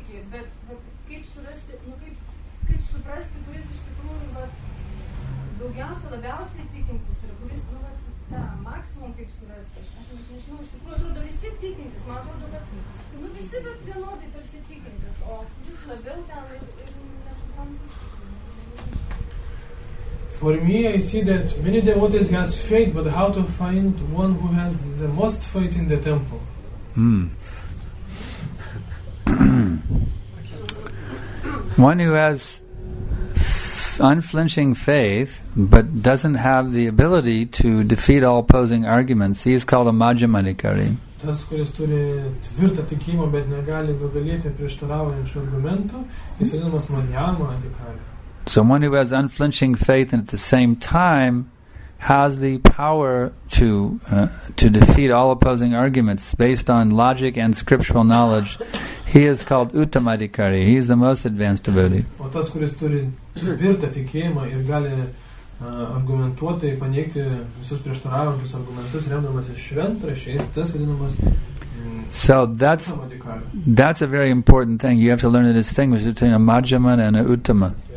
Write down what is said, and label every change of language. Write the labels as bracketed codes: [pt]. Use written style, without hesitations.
[lt] Bet kaip surasti, kaip suprasti, kuris iš tikrųjų daugiausia labiausiai tikintis ir kuris, nu, vat, tą maksimum kaip surasti, aš nežinau, iš tikrųjų atrodo visi tikintis, man atrodo, kad nu, visi bet vienodai tarsi tikintis, o kuris labiau ten ir nesuprantu. [en] For me, I see that many devotees has faith, but how to find one who has the most faith in the temple? One who has unflinching faith, but doesn't have the ability to defeat all opposing arguments, he is called a Majjhimanikari. [lt] Tas, kuris turi tvirtą tikėjimą, bet negali nugalėti prieštaraujančių argumentų, jis vadinamas Majjhimanikari. [en] Someone who has unflinching faith and at the same time has the power to defeat all opposing arguments based on logic and scriptural knowledge, he is called Uttamadhikari. He is the most advanced devotee. [lt] O tas, kuris turi tvirtą tikėjimą ir gali argumentuoti, paneigti visus prieštaraujančius argumentus, remdamasis šventraščiais, tas vadinamas. [en] So that's a very important thing. You have to learn to distinguish between a Majjhimana and a Uttama.